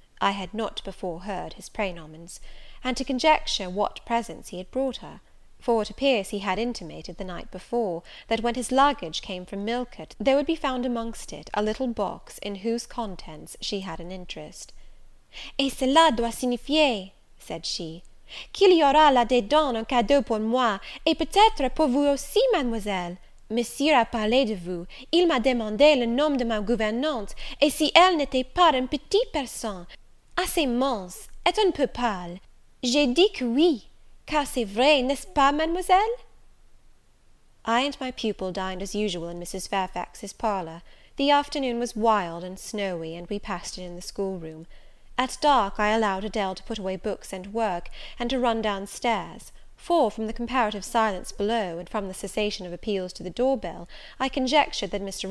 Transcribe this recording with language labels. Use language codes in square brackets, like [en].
[en] I had not before heard his praenomens, and to conjecture what presents he had brought her. For it appears he had intimated the night before that when his luggage came from Millcote there would be found amongst it a little box in whose contents she had an interest. [fr] Et cela doit signifier, [en] said she, [fr] qu'il y aura là-dedans un cadeau pour moi, et peut-être pour vous aussi, mademoiselle. Monsieur a parlé de vous, il m'a demandé le nom de ma gouvernante, et si elle n'était pas un petit person, assez mince, et un peu pâle. J'ai dit que oui, car c'est vrai, n'est-ce pas, mademoiselle? [en] I and my pupil dined as usual in Mrs. Fairfax's parlour. The afternoon was wild and snowy, and we passed it in the schoolroom. At dark I allowed Adele to put away books and work, and to run downstairs, for from the comparative silence below, and from the cessation of appeals to the doorbell, I conjectured that Mr.